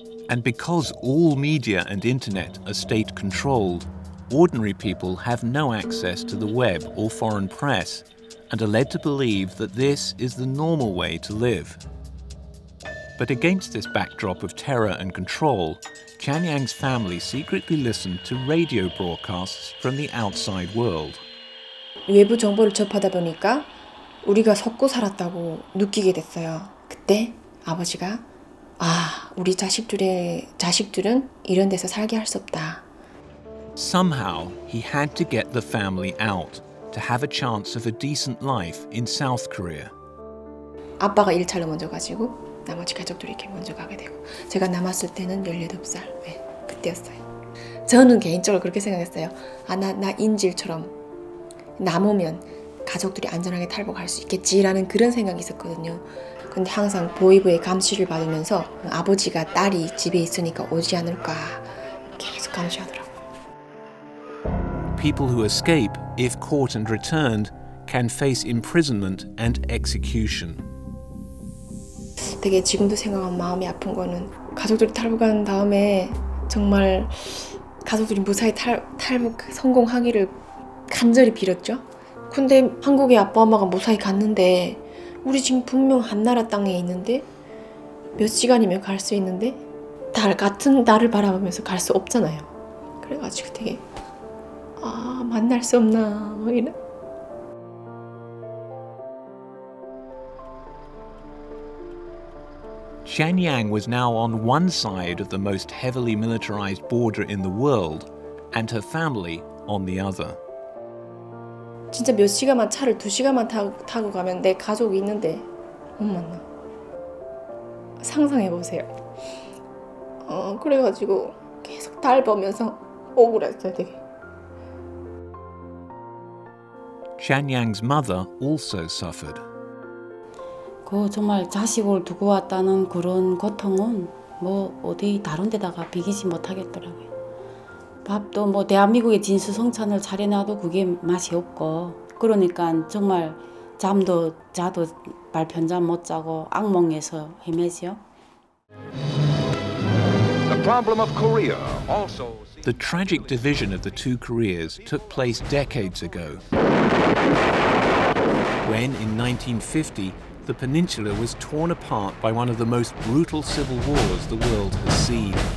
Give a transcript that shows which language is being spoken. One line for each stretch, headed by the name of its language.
English: And because all media and internet are state controlled, ordinary people have no access to the web or foreign press and are led to believe that this is the normal way to live. But against this backdrop of terror and control, Chan Yang's family secretly listened to radio broadcasts from the outside world.
Korean: 외부 정보를 접하다 보니까 우리가 속고 살았다고 느끼게 됐어요. 그때 아버지가 아, 우리 자식들은 이런 데서 살게 할 수 없다.
English: Somehow, he had to get the family out to have a chance of a decent life in South Korea.
Korean: 아빠가 일탈로 먼저 가지고 나머지 가족들이 이렇게 먼저 가게 되고 제가 남았을 때는 18살, 네, 그때였어요. 저는 개인적으로 그렇게 생각했어요. 아, 나 인질처럼 남으면 가족들이 안전하게 탈북할 수 있겠지라는 그런 생각이 있었거든요. 근데 항상 보위부의 감시를 받으면서 아버지가 딸이 집에 있으니까 오지 않을까 계속 감시하더라고요.
English: People who escape, if caught and returned, can face imprisonment and execution.
Korean: 되게 지금도 생각하면 마음이 아픈 거는 가족들이 탈북한 다음에 정말 가족들이 무사히 탈북 성공하기를 간절히 빌었죠. 근데 한국에 아빠 엄마가 무사히 갔는데 우리 지금 분명 한나라 땅에 있는데 몇 시간이면 갈 수 있는데 달 같은 달을 바라보면서 갈 수 없잖아요. 그래가지고 되게 아 만날 수 없나 뭐 이런.
English: Chan Yang was now on one side of the most heavily militarized border in the world, and her family on the other.
Korean: 진짜 몇 시간만 차를 두 시간만 타고 가면 내 가족이 있는데 못 만나. 상상해 보세요. 그래가지고 계속 달 보면서 억울했어요, 되게.
English: Chan Yang's mother also suffered.
Korean: 그 정말 자식을 두고 왔다는 그런 고통은 뭐 어디 다른 데다가 비기지 못하겠더라고요. 밥도 뭐 대한민국의 진수성찬을 차려놔도 그게 맛이 없고 그러니까 정말 잠도 자도 발편잠 못 자고 악몽에서 헤매지요.
English: The problem of Korea also. The tragic division of the two Koreas took place decades ago. When in 1950. The peninsula was torn apart by one of the most brutal civil wars the world has seen.